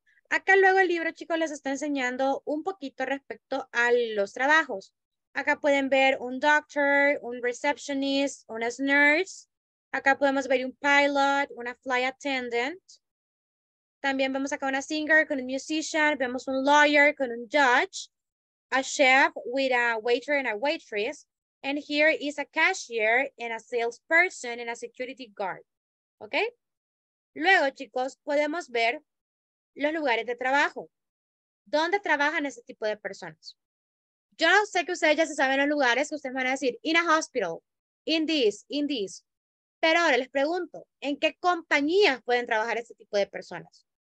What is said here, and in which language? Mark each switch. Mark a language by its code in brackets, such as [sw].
[es] Acá luego el libro, chicos, les está enseñando un poquito respecto a los trabajos. Acá pueden ver un doctor, un receptionist, una nurse. Acá podemos ver un pilot, una flight attendant. También vemos acá una singer con un musician. Vemos un lawyer con un judge. [en] A chef with a waiter and a waitress. And here is a cashier and a salesperson and a security guard. [es] ¿Ok? Luego, chicos, podemos ver los lugares de trabajo. ¿Dónde trabajan ese tipo de personas? Yo sé que ustedes ya se saben los lugares que ustedes van a decir, [en] in a hospital, in this, [es] pero ahora les pregunto, ¿en qué compañías pueden trabajar ese tipo de personas?